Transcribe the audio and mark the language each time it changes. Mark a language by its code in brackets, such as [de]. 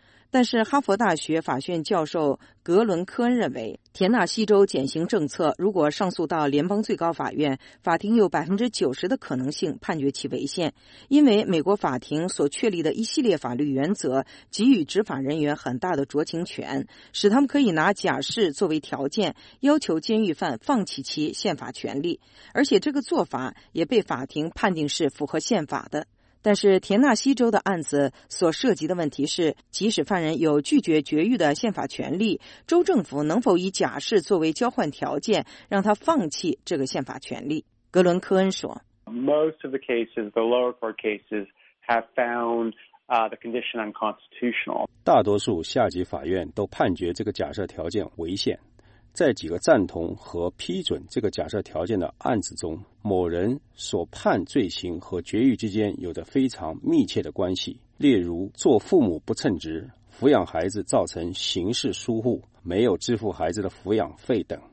[zh] 但是哈佛大学法学院教授格伦·科恩认为，田纳西州减刑政策如果上诉到联邦最高法院，法庭有 90% 的可能性判决其违宪，因为美国法庭所确立的一系列法律原则给予执法人员很大的酌情权，使他们可以拿假释作为条件要求监狱犯放弃其宪法权利，而且这个做法也被法庭判定是符合宪法的。但是田纳西州的案子所涉及的问题是，即使犯人有拒绝绝育的宪法权利，州政府能否以假释作为交换条件让他放弃这个宪法权利。格伦·科恩说， [en] Most of the cases, the lower court cases have found the condition unconstitutional. [zh] 大多数下级法院都判决这个假设条件违宪。在几个赞同和批准这个假设条件的案子中，某人所判罪行和绝育之间有着非常密切的关系，例如做父母不称职、抚养孩子造成刑事疏忽、没有支付孩子的抚养费等。